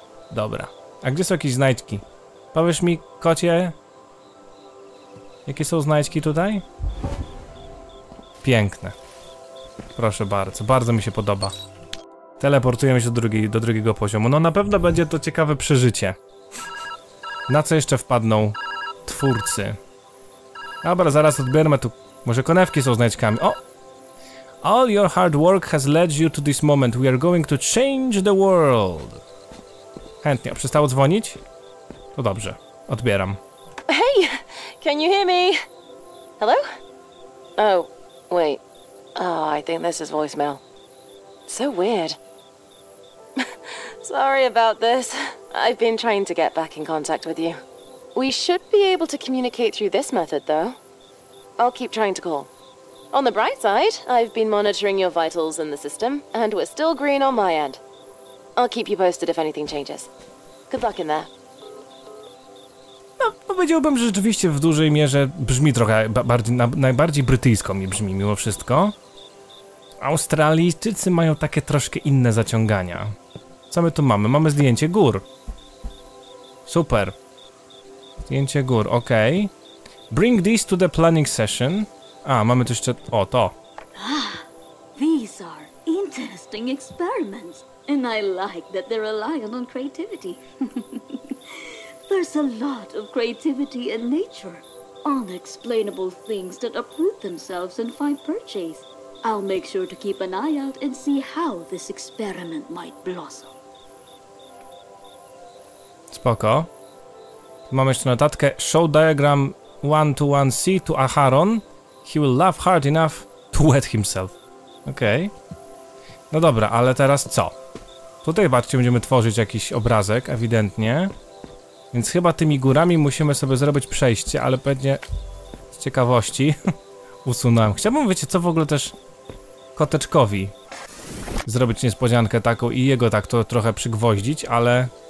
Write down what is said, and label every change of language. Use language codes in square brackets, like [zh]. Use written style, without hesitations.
[pl] Dobra. A gdzie są jakieś znajdźki? Powiesz mi, kocie, jakie są znajdźki tutaj? Piękne. Proszę bardzo, bardzo mi się podoba. Teleportujemy się do drugiego poziomu. No na pewno będzie to ciekawe przeżycie. Na co jeszcze wpadną twórcy? Dobra, zaraz odbierzmy tu... Może konewki są znajdźkami? O! [en] All your hard work has led you to this moment. We are going to change the world. [pl] Chętnie. Przestało dzwonić? To dobrze. Odbieram. [en] Hey, can you hear me? Hello? Oh, wait. Oh, I think this is voicemail. So weird. Sorry about this. I've been trying to get back in contact with you. We should be able to communicate through this method, though. I'll keep trying to call. On the bright side, I've been monitoring your vitals in the system, and we're still green on my end. I'll keep you posted if anything changes. Good luck in there. [pl] No, powiedziałbym, że rzeczywiście w dużej mierze brzmi trochę najbardziej brytyjsko mi brzmi mimo wszystko. Australijczycy mają takie troszkę inne zaciągania. Co my tu mamy? Mamy zdjęcie gór. Super. Zdjęcie gór, okej. Okay. Bring this to the planning session. A, mamy tu jeszcze... O, to. [en] Ah, these are interesting experiments. And I like that they're reliant on creativity. There's a lot of creativity in nature. Unexplainable things that uproot themselves and find purchase. I'll make sure to keep an eye out and see how this experiment might blossom. [pl] Spoko. Mamy jeszcze notatkę. [en] Show diagram 1-to-1C to Aharon. He will laugh hard enough to wet himself. [pl] Okej. No dobra, ale teraz co? Tutaj, patrzcie, będziemy tworzyć jakiś obrazek, ewidentnie. Więc chyba tymi górami musimy sobie zrobić przejście, ale pewnie z ciekawości usunąłem. Chciałbym, wiecie, co w ogóle też koteczkowi zrobić niespodziankę taką i jego tak to trochę przygwoździć, ale...